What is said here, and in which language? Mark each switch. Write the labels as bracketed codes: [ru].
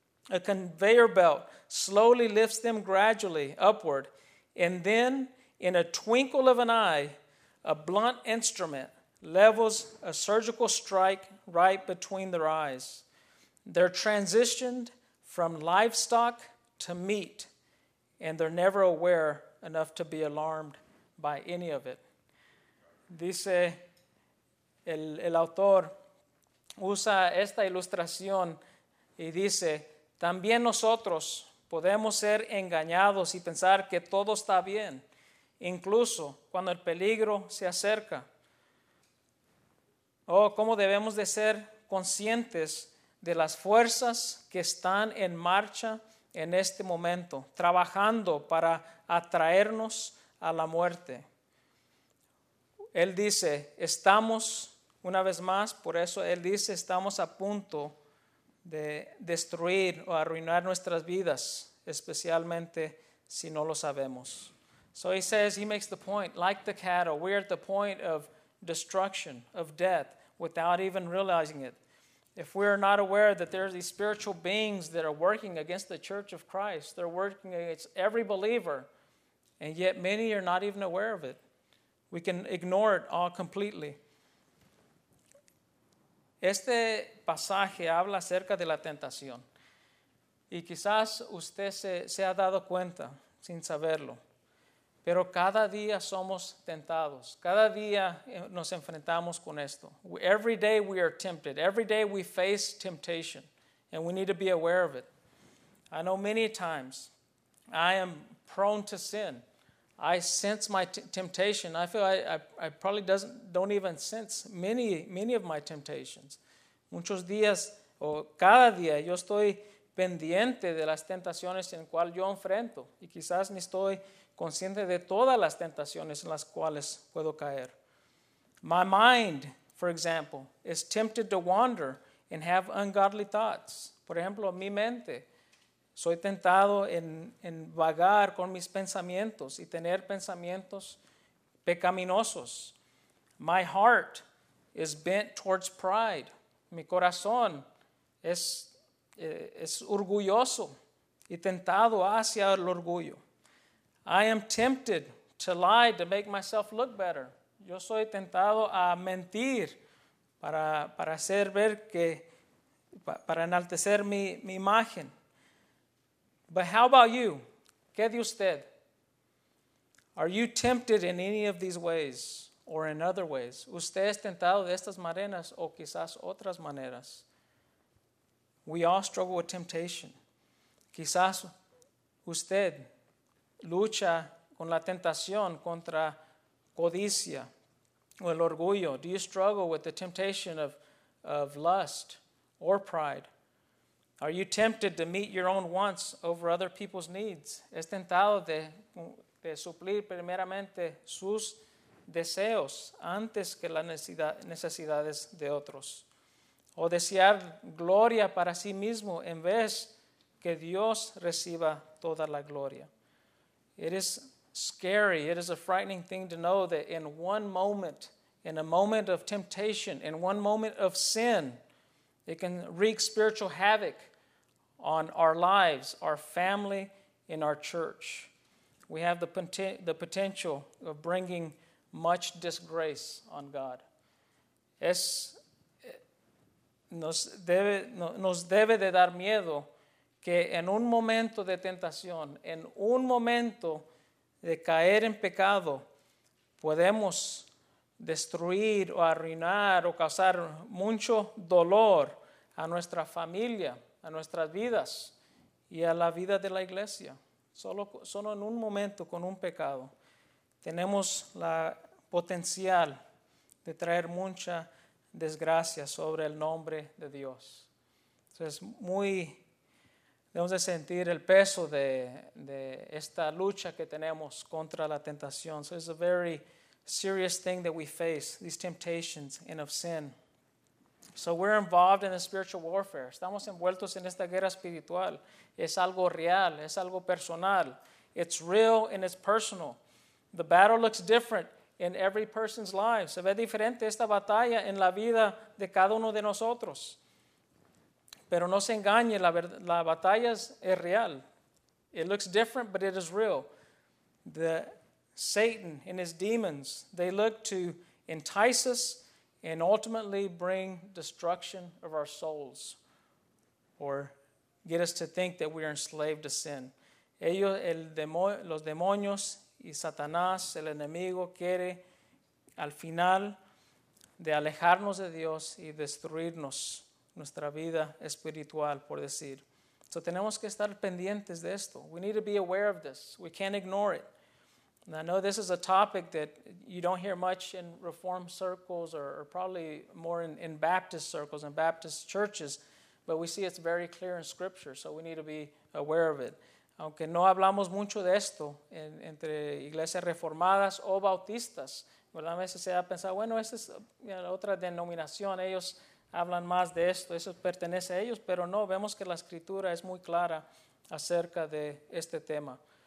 [en] A conveyor belt slowly lifts them gradually upward, and then, in a twinkle of an eye, a blunt instrument levels a surgical strike right between their eyes. They're transitioned from livestock to meat, and they're never aware enough to be alarmed by any of it." [es] Dice el autor, usa esta ilustración y dice, "También nosotros podemos ser engañados y pensar que todo está bien, incluso cuando el peligro se acerca. Oh, cómo debemos de ser conscientes de las fuerzas que están en marcha en este momento, trabajando para atraernos a la muerte." Él dice, estamos, una vez más, por eso él dice, estamos a punto de destruir o arruinar nuestras vidas, especialmente si no lo sabemos. [en] So he says, he makes the point, like the cattle, we're at the point of destruction, of death, without even realizing it. If we are not aware that there are these spiritual beings that are working against the church of Christ, they're working against every believer, and yet many are not even aware of it. We can ignore it all completely. [es] Este pasaje habla acerca de la tentación. Y quizás usted se ha dado cuenta sin saberlo. Pero cada día somos tentados. Cada día nos enfrentamos con esto. [en] Every day we are tempted. Every day we face temptation. And we need to be aware of it. I know many times I am prone to sin. I sense my temptation. I feel I probably don't even sense many of my temptations. [es] Muchos días, o cada día, yo estoy pendiente de las tentaciones en cual yo enfrento. Y quizás ni estoy consciente de todas las tentaciones en las cuales puedo caer. [en] My mind, for example, is tempted to wander and have ungodly thoughts. [es] Por ejemplo, mi mente. Soy tentado en vagar con mis pensamientos y tener pensamientos pecaminosos. [en] My heart is bent towards pride. [es] Mi corazón es orgulloso y tentado hacia el orgullo. [en] I am tempted to lie to make myself look better. [es] Yo soy tentado a mentir para hacer ver que, para enaltecer mi imagen. [en] But how about you? [es] ¿Qué de usted? [en] Are you tempted in any of these ways or in other ways? [es] ¿Usted es tentado de estas maneras o quizás otras maneras? [en] We all struggle with temptation. [es] Quizás usted lucha con la tentación contra codicia o el orgullo. [en] Do you struggle with the temptation of lust or pride? Are you tempted to meet your own wants over other people's needs? [es] ¿Es tentado de suplir primeramente sus deseos antes que las necesidades de otros? ¿O desear gloria para sí mismo en vez que Dios reciba toda la gloria? [en] It is scary. It is a frightening thing to know that in one moment, in a moment of temptation, in one moment of sin, it can wreak spiritual havoc on our lives, our family, in our church. We have the potential of bringing much disgrace on God. [es] Nos debe de dar miedo que en un momento de tentación, en un momento de caer en pecado, podemos destruir o arruinar o causar mucho dolor a nuestra familia, a nuestras vidas y a la vida de la iglesia. Solo en un momento con un pecado tenemos la potencial de traer mucha desgracia sobre el nombre de Dios. Entonces, debemos de sentir el peso de esta lucha que tenemos contra la tentación. [en] So it's a very serious thing that we face, these temptations and of sin. So we're involved in the spiritual warfare. [es] Estamos envueltos en esta guerra espiritual. Es algo real, es algo personal. [en] It's real and it's personal. The battle looks different in every person's life. [es] Se ve diferente esta batalla en la vida de cada uno de nosotros. Pero no se engañe, la batalla es real. [en] It looks different, but it is real. The Satan and his demons, they look to entice us and ultimately bring destruction of our souls or get us to think that we are enslaved to sin. [es] Los demonios y Satanás, el enemigo, quiere al final de alejarnos de Dios y destruirnos nuestra vida espiritual, por decir. So tenemos que estar pendientes de esto. [en] We need to be aware of this. We can't ignore it. And I know this is a topic that you don't hear much in Reformed circles or probably more in Baptist circles and Baptist churches, but we see it's very clear in Scripture, so we need to be aware of it. [es] Aunque no hablamos mucho de esto entre iglesias reformadas o bautistas, ¿verdad? A veces se ha pensado, bueno, esta es otra denominación, ellos hablan más de esto, eso pertenece a ellos, pero no, vemos que la Escritura es muy clara acerca de este tema.